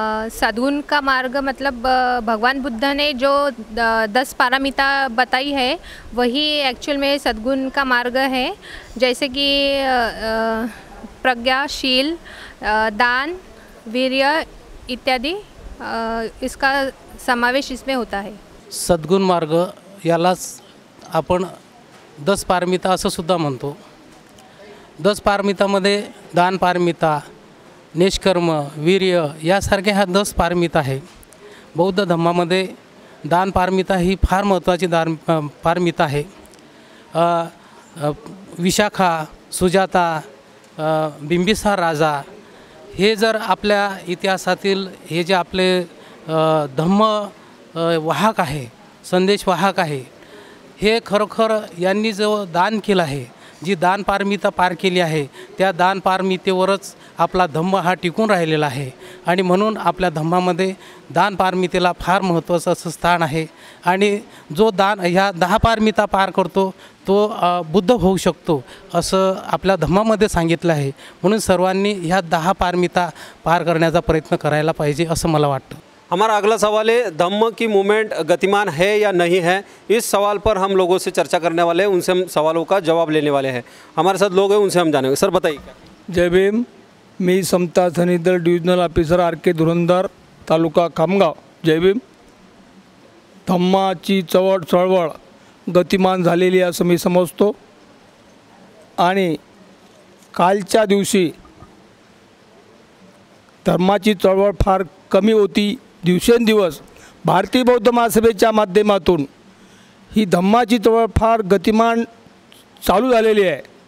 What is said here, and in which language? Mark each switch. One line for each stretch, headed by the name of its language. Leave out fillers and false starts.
Hindi: सद्गुण का मार्ग मतलब भगवान बुद्ध ने जो 10 पारमिता बताई है वही एक्चुअल में सद्गुण का मार्ग है। जैसे कि प्रज्ञाशील दान वीर्य इत्यादि इसका समावेश इसमें होता है।
Marathi: सद्गुण मार्ग यालाच आपण 10 पारमिता असं सुद्धा म्हणतो। 10 पारमितामध्ये दान पारमिता निष्कर्म वीर्य यासारखे ह्या 10 पारमिता आहे। बौद्ध धम्मामध्ये दान पारमिता ही फार महत्त्वाची पारमिता आहे। विशाखा सुजाता बिंबिसार राजा हे जर आपल्या इतिहासातील हे जे आपले धम्म वाहक आहे संदेश वाहक आहे हे खरोखर यांनी जो दान केलं आहे जी दान पारमिता पार केली आहे त्या दान पारमितेवरच आपला धम्म हा टिकून राहिलेला आहे आणि म्हणून आपल्या धम्मामध्ये दान पारमितेला फार महत्त्वाचं असं स्थान आहे। आणि जो दान ह्या 10 पारमिता पार करतो तो बुद्ध होऊ शकतो असं आपल्या धम्मामध्ये सांगितलं आहे। म्हणून सर्वांनी ह्या 10 पारमिता पार करण्याचा प्रयत्न करायला पाहिजे असं मला वाटतं।
Hindi: हमारा अगला सवाल है धम्म की मूवमेंट गतिमान है या नहीं है। इस सवाल पर हम लोगों से चर्चा करने वाले हैं उनसे हम सवालों का जवाब लेने वाले हैं। हमारे साथ लोग हैं उनसे हम जानेंगे। सर बताइए। जय भीम।
Marathi: मी समता सनिधर डिविजनल ऑफिसर आर के धुरंधर तालुका खामगाव जय भीम। धम्माची चवळ चळवळ गतिमान झालेली असं मी समजतो आणि कालच्या दिवशी धर्माची चळवळ फार कमी होती, दिवसेंदिवस भारतीय बौद्ध महासभेच्या माध्यमातून ही धम्माची चळवळ फार गतिमान चालू झालेली आहे।